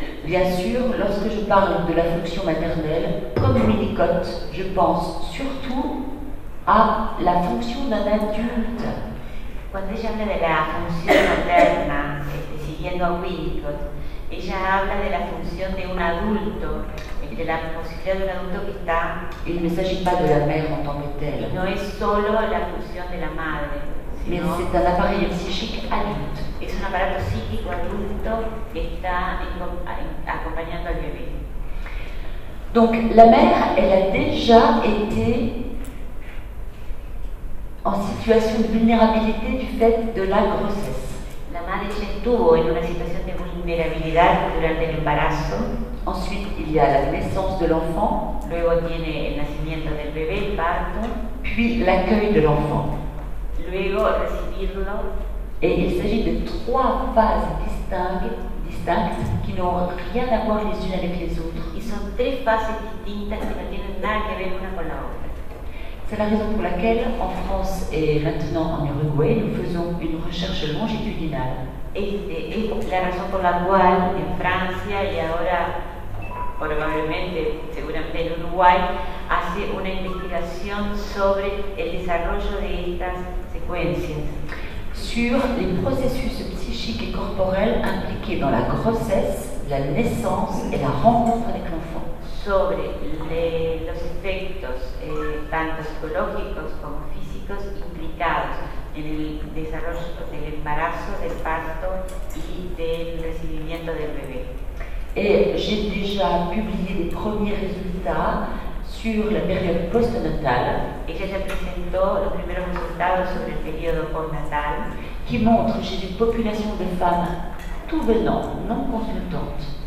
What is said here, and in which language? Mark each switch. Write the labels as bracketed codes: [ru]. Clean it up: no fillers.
[fr] Bien sûr, lorsque je parle de la fonction maternelle, comme Winnicott, je pense surtout à la fonction d'un adulte. [es] Cuando ella habla de la función materna, siguiendo a Winnicott, ella habla de la función de un adulto, de la posibilidad de un adulto que está. [fr] Il ne s'agit pas de la mère en tant que telle. [es] No es solo la función de la madre. [fr] Mais c'est un appareil psychique adulte. [es] Es un aparato psíquico adulto que está acompañando al bebé. [fr] Donc la mère, elle a déjà été en situation de vulnérabilité du fait de la grossesse. [es] La madre ya estuvo en una situación de vulnerabilidad durante el embarazo. [fr] Ensuite, il y a la naissance de l'enfant. [es] Luego tiene el nacimiento del bebé, el parto. [fr] Puis l'accueil de l'enfant. [es] Luego recibirlo. [fr] Et il s'agit de trois phases distinctes qui n'ont rien à voir les unes avec les autres. [es] Y son tres fases distintas que no tienen nada que ver una con la otra. [fr] C'est la raison pour laquelle en France et maintenant en Uruguay nous faisons une recherche longitudinale. [es] Es la razón por la cual en Francia y ahora probablemente, seguramente en Uruguay, hace una investigación sobre el desarrollo de estas secuencias. [fr] Sur les processus psychiques et corporels impliqués dans la grossesse, la naissance et la rencontre avec l'enfant. [es] Sobre los efectos, tanto psicológicos como físicos, implicados en el desarrollo del embarazo, del parto y del recibimiento del bebé. [fr] Et j'ai déjà publié les premiers résultats sur la période postnatale. Et j'ai déjà présenté les premiers résultats sur le période postnatal. Qui montrent chez une population de femmes tout venant, non consultantes.